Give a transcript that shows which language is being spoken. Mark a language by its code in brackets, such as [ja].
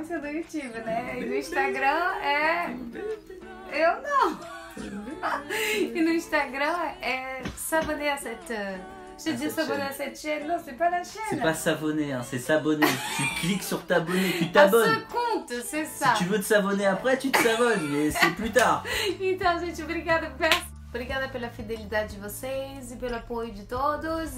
[pt] Isso é do YouTube, né? E no Instagram é... Eu não! E no Instagram é Sabonet Acetan. [fr] Je dis s'abonner à cette chaîne, non c'est pas la chaîne. C'est pas s'abonner, hein, c'est s'abonner. Tu cliques sur t'abonner, tu t'abonnes. À ce compte, c'est ça. Si tu veux te s'abonner après, tu te s'abonnes, mais c'est plus tard. [pt] Então, gente, obrigada. Obrigada pela fidélité de vocês e pelo apoio de todos.